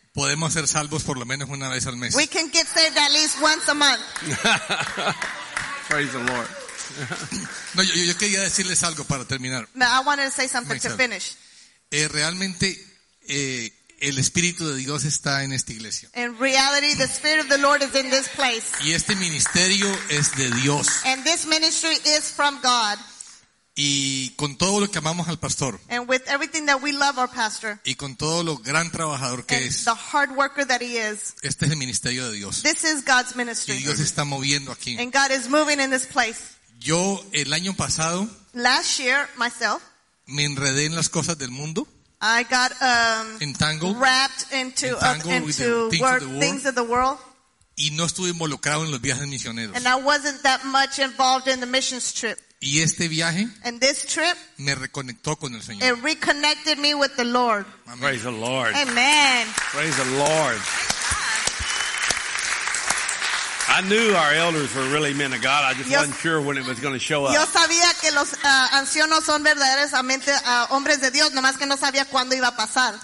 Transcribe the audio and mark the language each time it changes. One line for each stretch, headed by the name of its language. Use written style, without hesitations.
Spanish: Podemos ser salvos por lo menos una vez al mes.
English: We can get saved at least once a month. Praise the Lord.
Spanish: No, yo quería decirles algo para terminar.
English: I wanted to say something to finish.
Spanish: Realmente, el Espíritu de Dios está en esta iglesia.
English: In reality, the Spirit of the Lord is in this place.
Spanish: Y este ministerio es de Dios.
English: And this ministry is from God.
Spanish: Y con todo lo que amamos al pastor.
English: And with everything that we love our pastor.
Spanish: Y con todo lo gran trabajador que es.
English: The hard worker that he is.
Spanish: Este es el ministerio de Dios.
English: This is God's ministry.
Spanish: Y Dios está moviendo aquí.
English: And God is moving in this place.
Spanish: Yo el año pasado.
English: Last year, myself.
Spanish: Me enredé en las cosas del mundo.
English: I got entangled. Wrapped into things of the world.
Spanish: Y no estuve involucrado en los viajes misioneros.
English: And I wasn't that much involved in the missions trip.
Spanish: Y este viaje
English: and this trip,
Spanish: me reconectó con el Señor.
English: It reconnected me with the Lord. Amen. Praise the Lord. Amen. Praise the Lord. Praise I knew our elders were really men of God. I just wasn't sure when it was going to show up.
Spanish: Yo sabía que los ancianos son verdaderamente hombres de Dios, nomás que no sabía cuándo iba a pasar.